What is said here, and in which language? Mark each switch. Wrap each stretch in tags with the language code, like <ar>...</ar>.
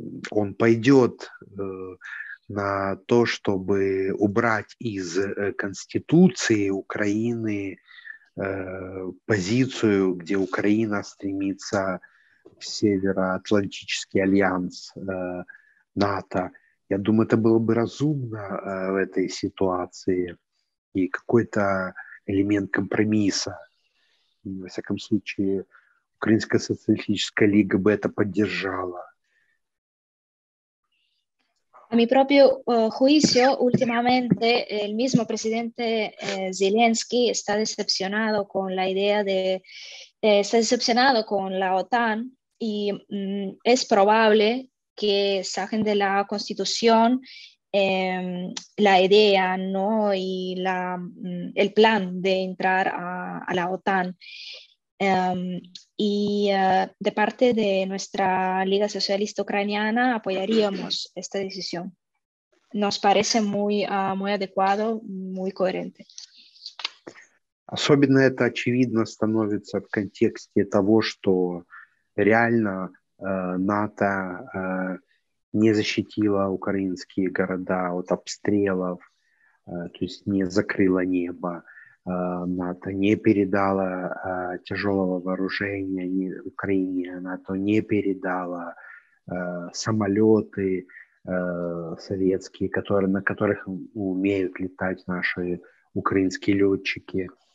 <ru>он пойдет на то, чтобы убрать из Конституции Украины позицию, где Украина стремится в Североатлантический альянс НАТО. Я думаю, это было бы разумно в этой ситуации и какой-то элемент компромисса. Во всяком случае, Украинская социалистическая лига бы это поддержала.</ru> <es>A mi propio juicio, últimamente el mismo presidente Zelensky está decepcionado con la idea de está decepcionado con la OTAN y es probable que saquen de la Constitución la idea, ¿no? Y la el plan de entrar a la OTAN. De parte de nuestra Liga Socialista Ucraniana apoyaríamos esta decisión. Nos parece muy muy adecuado, muy coherente.</es> <ru>Особенно это очевидно становится в контексте того, что реально НАТО не защитила украинские города от обстрелов, то есть не закрыла небо. НАТО не передала тяжелого вооружения Украине, НАТО не передала самолеты советские, которые, на которых умеют летать наши украинские летчики.</ru>